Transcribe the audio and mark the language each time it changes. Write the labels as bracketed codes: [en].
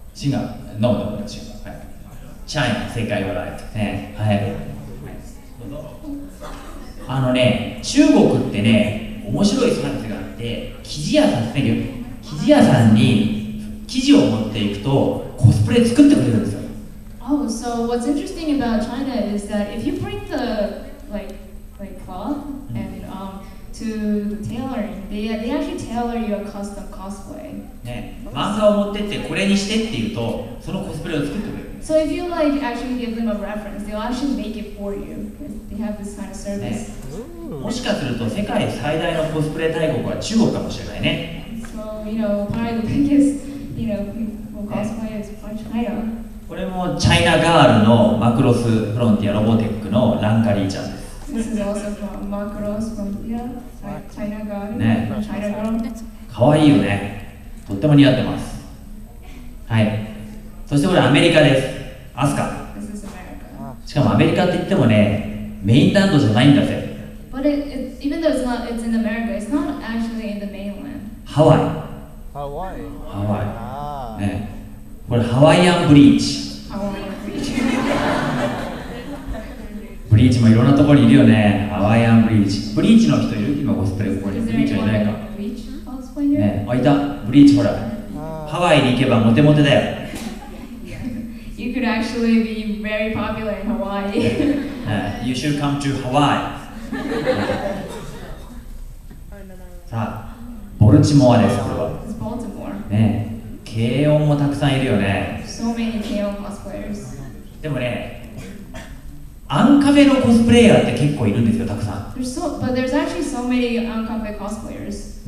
[ja] シンガポール、ノーシンガポール、チャイナ、世界はライト、ね、はい、あのね、中国ってね、面白いサービスがあって、生地屋さん、ね、生地屋さんに生地を持っていくとコスプレ作ってくれるんですよ。 [en] Oh, so what's interesting about China is that if you bring the like cloth andto the tailoring. They actually tailor your custom cosplay. [ja] ね、漫画を持ってってこれにしてって言うと、そのコスプレを作ってくれる。 [en] So if you like actually give them a reference, they'll actually make it for you. They have this kind of service.、 [ja] ね、もしかすると世界最大のコスプレ大国は中国かもしれないね。 [en] So you know, probably the biggest, cosplay is from China. [ja] これもチャイナガールのマクロスフロンティアロボテックのランカリーちゃんです。 [en] This is also from Mark Rose from China [ja] Garden. China Garden. かわいいよね。とても似合ってます。はい。そしてこれアメリカです。アスカ。 [en] This is America. [ja] しかもアメリカって言ってもね、メインランドじゃないんだぜ。 [en] But even though it's in America, it's not actually in the mainland. [ja] ハワイ。ハワイ。ハワイ。ね。これハワイアンブリーチ。ハワイアンブリーチ。ブリーチもいろんなところにいるよね。ハワイアンブリーチ。ブリーチの人いる？今コスプレここにブリーチはいないか。ね、あ、いた。ブリーチほら。ハワイに行けばモテモテだよ。 [en] You could actually be very popular in Hawaii. You should come to Hawaii. [ja] さあ、ボルチモアです、これは。 [en] It's Baltimore. [ja] ね、軽音もたくさんいるよね。 [en] So many 軽音 cosplayers. [ja] でもね、アンカフェのコスプレイヤーって結構いるんですよ、たくさん。 [en] But there's actually so many アンカフェ cosplayers.